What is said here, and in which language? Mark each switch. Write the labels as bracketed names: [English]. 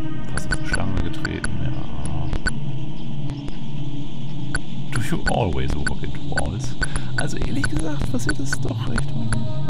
[German] Fast auf die Schlange getreten, ja. [English] Do you always walk in walls? [German] Also ehrlich gesagt passiert das doch recht häufig.